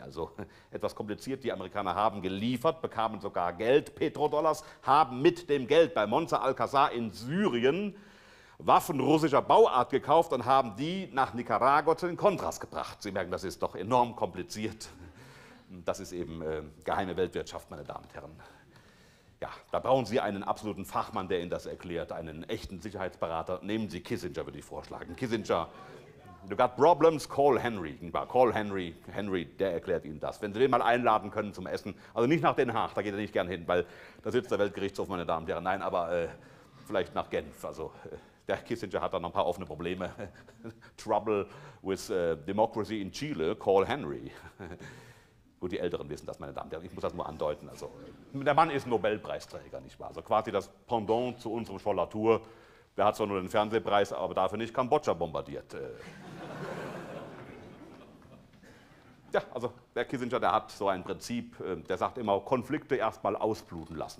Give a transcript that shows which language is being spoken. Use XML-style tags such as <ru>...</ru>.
<de>Also etwas kompliziert, die Amerikaner haben geliefert, bekamen sogar Geld, Petrodollars, haben mit dem Geld bei Monza Alcazar in Syrien Waffen russischer Bauart gekauft und haben die nach Nicaragua zu den Contras gebracht. Sie merken, das ist doch enorm kompliziert. Das ist eben geheime Weltwirtschaft, meine Damen und Herren. Ja, da brauchen Sie einen absoluten Fachmann, der Ihnen das erklärt, einen echten Sicherheitsberater. Nehmen Sie Kissinger, würde ich vorschlagen.</de> <en>Kissinger, you got problems, call Henry. Call Henry, Henry,</en> <de>der erklärt Ihnen das. Wenn Sie den mal einladen können zum Essen, also nicht nach Den Haag, da geht er nicht gern hin, weil da sitzt der Weltgerichtshof, meine Damen und Herren. Nein, aber vielleicht nach Genf, also... Der Kissinger hat da noch ein paar offene Probleme.</de> <en>Trouble with democracy in Chile, call Henry.</en> <de>Gut, die Älteren wissen das, meine Damen und Herren. Ich muss das nur andeuten. Also, der Mann ist Nobelpreisträger, nicht wahr? Also quasi das Pendant zu unserem Scholl Latour. Der hat zwar nur den Fernsehpreis, aber dafür nicht Kambodscha bombardiert. Ja, also der Kissinger, der hat so ein Prinzip, der sagt immer, Konflikte erstmal ausbluten lassen.</de>